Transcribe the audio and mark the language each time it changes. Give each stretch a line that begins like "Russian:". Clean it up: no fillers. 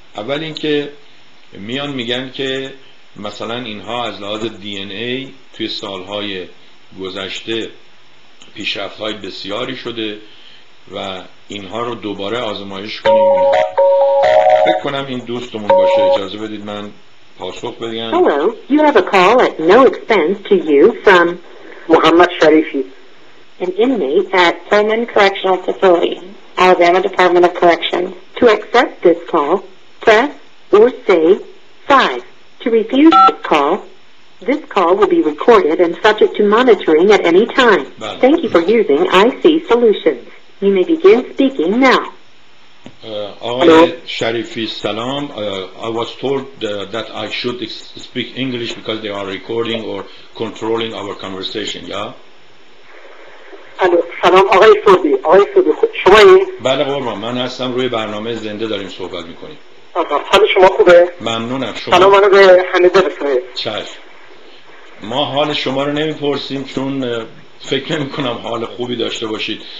Persian: اول اینکه میان میگن که مثلا اینها از لحاظ دی ان ای توی سالهای گذشته پیشرفت های بسیاری شده و اینها رو دوباره آزمایش کنیم. فکر کنم این دوستمون باشه، اجازه بدید من پاسخ بدیم.
English: Hello, you have a call at no expense to you from
Persian: محمد شریفی,
English: an inmate at Furman Correctional Facility, Alabama Department of Corrections. To accept this call, press or say 5. To refuse this call, this call will be recorded and subject to monitoring at any time.
Persian: بله.
English: Thank you for using IC Solutions. You may begin speaking now.
Persian: آقای شریفی سلام.
English: I was told that I should speak English because they are recording or controlling our conversation. Yeah.
Persian: الو سلام آقای فردی. آقای فردی شمایی؟ بله قربان، من هستم، روی برنامه زنده داریم صحبت میکنیم. آقا حال شما خوبه؟ ممنونم شما. سلام منو به همه برسونید. چشم. ما حال شما رو نمیپرسیم چون فکر نمی کنم حال خوبی داشته باشید.